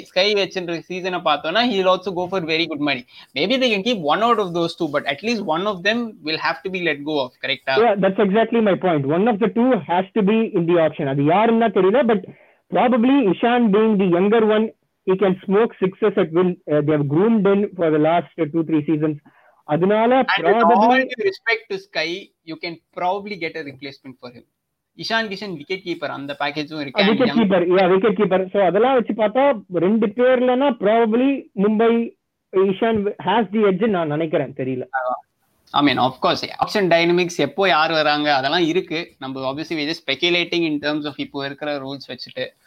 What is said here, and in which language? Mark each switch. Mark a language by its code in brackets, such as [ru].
[en] Sky [ta] வெச்சின்ற சீசனை பார்த்தோம்னா [en] he will also go for very good money. Maybe they can keep one out of those two, but at least one of them will have to be let go of, correct? Yeah, that's exactly my point. One of the two has to be in the auction. [ta] அது யாருன்னா தெரியல, [en] but probably Ishan being the younger one, he can smoke sixes at will. They have groomed him for the last 2-3 seasons. [ta] அதனால [en] probably, with all due respect to Sky, you can probably get a replacement for him. [ta] Ishan Kishan wicket keeper, அந்த பேக்கேஜும் இருக்கு. Wicket keeper, யா wicket keeper. So அதெல்லாம் வச்சு பார்த்தா ரெண்டு பேர்லனா probably Mumbai Ishaan [en] has the edge [ta] நான் நினைக்கிறேன் தெரியல. [en] I mean of course option dynamics [ta] எப்போ யார் வராங்க அதெல்லாம் இருக்கு. [en] நம்ம obviously we just speculating in terms of [ta] இப்போ இருக்கிற ரூல்ஸ் வச்சுட்டு.